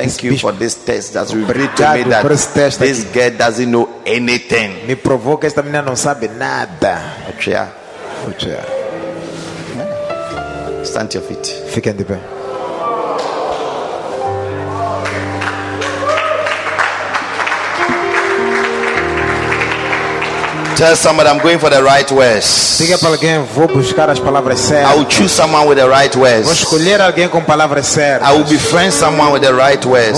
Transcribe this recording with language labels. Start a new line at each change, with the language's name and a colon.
English: Thank you for this test that you bring to me that this guy doesn't know anything.
Portuguese: Me provou que esta menina não sabe nada. Ochia, ochia.
English: Stand to your feet.
Portuguese: Fiquem de pé.
English: Tell somebody I'm going for the right words.
Portuguese: Diga para alguém, vou buscar as palavras certas.
English: I will choose someone with the right words.
Portuguese: Vou escolher alguém com palavras certas.
English: I will befriend someone with the right words.